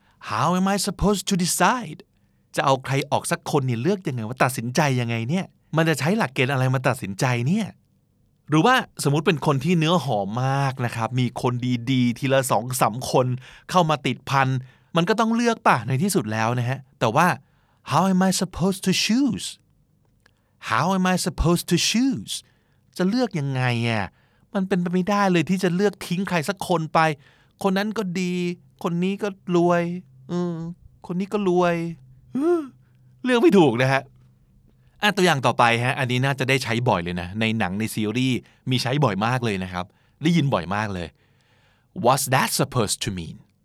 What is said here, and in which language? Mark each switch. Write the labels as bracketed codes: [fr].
[en] How am I supposed to decide [th] จะเอาใครออกสักคนเนี่ยเลือกยังไงว่าตัดสินใจยังไงเนี่ยมันจะใช้หลักเกณฑ์อะไรมาตัดสินใจเนี่ยหรือว่าสมมุติเป็นคนที่เนื้อหอมมากนะครับมีคนดีๆทีละ 2-3 คนเข้ามาติดพันมันก็ต้องเลือกป่ะในที่สุดแล้วนะฮะแต่ว่า [en] How am I supposed to choose? How am I supposed to choose? [th] จะเลือกยังไงอ่ะมันเป็นไปไม่ได้เลยที่จะเลือกทิ้งใครสักคนไปคนนั้นก็ดีคนนี้ก็รวยคนนี้ก็รวยเลือกไม่ถูกนะฮะตัวอย่างต่อไปฮะอันนี้น่าจะได้ใช้บ่อยเลยนะในหนังในซีรีส์มีใช้บ่อยมากเลยนะครับได้ยินบ่อยมากเลย [en] What's that supposed to mean?